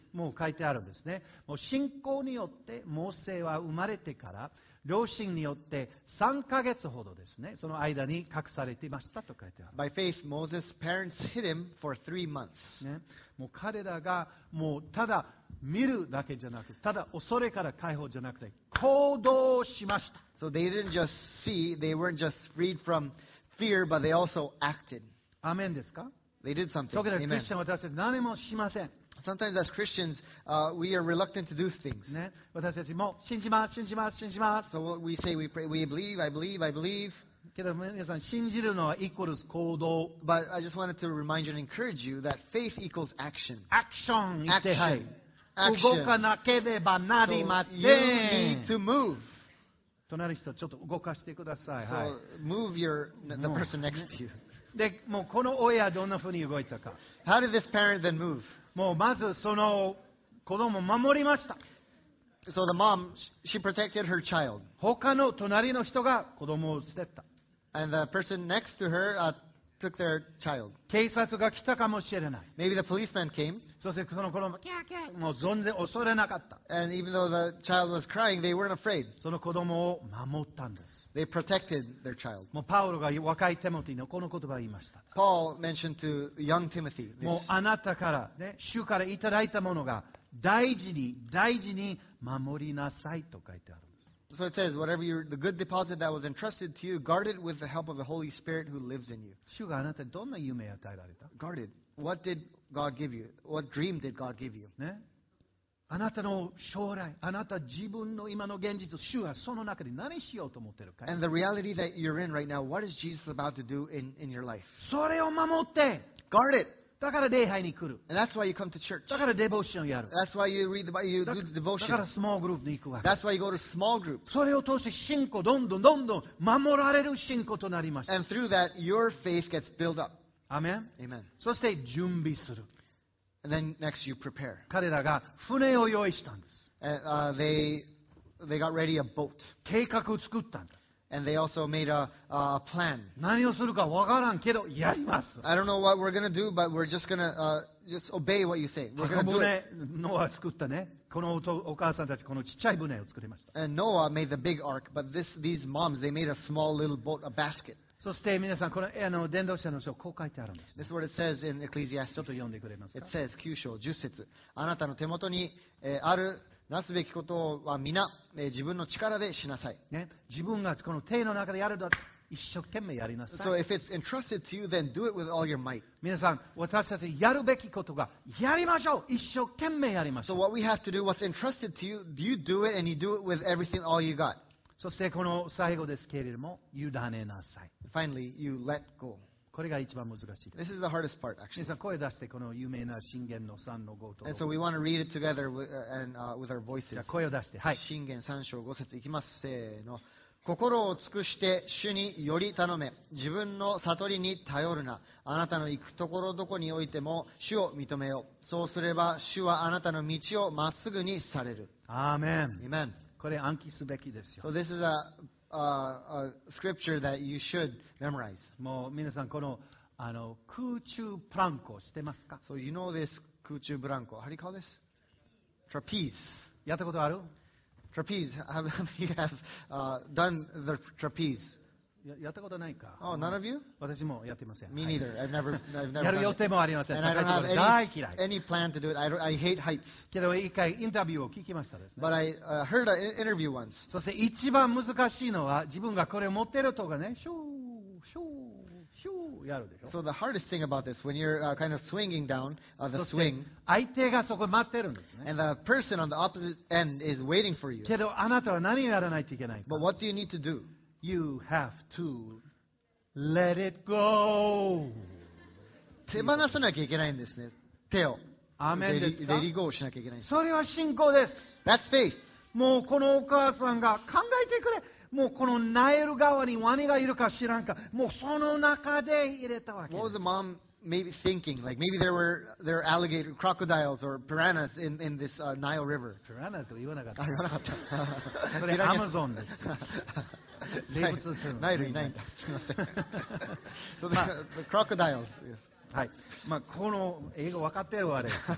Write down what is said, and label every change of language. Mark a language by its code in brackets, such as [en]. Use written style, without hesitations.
[ja] もう書いてあるんですね。もう信仰によってモーセは生まれてから両親によって3ヶ月ほどですね。その間に隠されていましたと書いてある。 [en] By faith, Moses' parents hid him for 3 months. [ja] ね。もう彼らがもうただ見るだけじゃなくて、ただ恐れから解放じゃなくて、行動しました。 [en] So they didn't just see, they weren't just freed from fear, but they also acted. [ja] アメンですか? [en] They did something. [ja] だからクリスチャンは私たち何もしません。 [en] Sometimes as Christians, we are reluctant to do things. [ja] ね、私たちも信じます、信じます、信じます。 [en] So what we say, we pray, we believe, I believe, I believe. [ja] けど皆さん、信じるのは equals 行動。 [en] But I just wanted to remind you and encourage you that faith equals action. Action! Action! Action! [ja] 動かなければなりません。 [en] So you need to move. [ja] 隣の人、ちょっと動かしてください。 [en] So move the person next to you. [ja] で、もうこの親はどんなふうに動いたか。 [en] How did this parent then move? [ja] もうまずその子供を守りました。 [en] So the mom, she protected her child. [ja] 他の隣の人が子供を捨てた。 [en] And the person next to her, took their child. [ja] 警察が来たかもしれない。 [en] Maybe the policeman came. [ja] そしてその子供、キャーキャー、もう全然恐れなかった。 [en] And even though the child was crying, they weren't afraid. [ja] その子供を守ったんです。 [en] They protected their child. [ja] もうパウロが若いテモティのこの言葉を言いました。 [en] Paul mentioned to young Timothy this. [ja] もうあなたから、ね、主からいただいたものが大事に大事に守りなさいと書いてあるんです。 [en] So it says, whatever you, the good deposit that was entrusted to you, guard it with the help of the Holy Spirit who lives in you. [ja] 主があなたにどんな夢を与えられた? [en] Guarded. What did God give you? What dream did God give you? [ja] ね。あなたの将来、あなた自分の今の現実、主はその中で何しようと思ってるか。 [en] And the reality that you're in right now, what is Jesus about to do in your life? [ja] それを守って、 [en] guard it. [ja] だから礼拝に来る。 [en] And that's why you come to church. [ja] だからデボーションやる。 [en] That's why you read the Bible, you do the devotion. [ja] だからスモールグループに行くわけ。 [en] That's why you go to small group. [ja] それを通して信仰どんどんどんどん守られる信仰となりました。 [en] And through that, your faith gets built up. Amen. Amen. [ja] そして準備する。 [en] And then next you prepare. [ja] 彼らが船を用意したんです。 [en] They got ready a boat. [ja] 計画を作ったんです。 [en] And they also made a plan. [ja] 何をするかわからんけどやります。 [en] I don't know what we're gonna do, but we're just gonna just obey what you say. We're gonna do it. [ja] 船ノア作ったね。このお母さんたちこのちっちゃい船を作りました。 [en] And Noah made the big ark, but these moms they made a small little boat, a basket. [ja] そして皆さんこの伝道者の書こう書いてあるんです、ね。 [en] This is what it says in Ecclesiastes. [ja] ちょっと読んでくれますか。 [en] It says 九章十節。 [ja] あなたの手元に、あるなすべきことは皆、自分の力でしなさい、ね、自分がこの手の中でやるだと一生懸命やりなさい。 [en] So if it's entrusted to you, then do it with all your might. [ja] 皆さん私たちやるべきことがやりましょう、一生懸命やりましょう。 [en] So what we have to do, what's entrusted to you, you do it and you do it with everything all you got. [ja] そしてこの最後ですけれども委ねなさい。 [en] Finally, you let go. [ja] これが一番難しい。 [en] This is the hardest part, actually. [ja] 皆さん声出してこの有名な箴言の3の5と。 [en] And so we want to read it together with, and, with our voices. [ja] じゃあ声を出して。はい。箴言3章5節いきます。せーの。心を尽くして主により頼め。自分の悟りに頼るな。あなたの行くところどこにおいても主を認めよう。そうすれば主はあなたの道をまっすぐにされる。アーメン。 [en] Amen. [ja] これ暗記すべきですよ。 [en] So this is a scripture that you should memorize. [ja] もう皆さんこの空中ブランコ知ってますか？ [en] So you know this 空中ブランコ。How do you call this? Trapeze. [ja] やったことある？ [en] Trapeze. Have you done the trapeze? [ja] やったことないか。 [en] Oh, none of you? [ja] 私もやってません。 [en] Me neither. I've never [ja] やる予定もありません。 [en] And I don't have any plan to do it. I hate heights. [ja] けど一回インタビューを聞きましたですね。 [en] But I heard an interview once. [ja] そして一番難しいのは自分がこれを持ってるとかね、シューシューシューやるでしょ。 [en] So the hardest thing about this, when you're kind of swinging down the swing. [ja] 相手がそこ待ってるんですね。 [en] And the person on the opposite end is waiting for you. [ja] けどあなたは何をやらないといけないか。 [en] But what do you need to do? You have to let it go. [ja] 手放さなきゃいけないんですね。手を。アーメンですか？レディゴーしなきゃいけないんです。それは信仰です。 [en] That's faith. [ja] もうこのお母さんが考えてくれ。もうこのナイル川にワニがいるか知らんか。もうその中で入れたわけです。 [en] What was the mom maybe thinking? Like maybe there were alligator, crocodiles or piranhas in this Nile River. [ja] ピラナと言わなかった。あ、言わなかった。それアマゾンです。生物するのナイルいないんだ。すみません。 [en] So the crocodiles. Yes. [ja] はい。まあこの英語分かってるわあれ。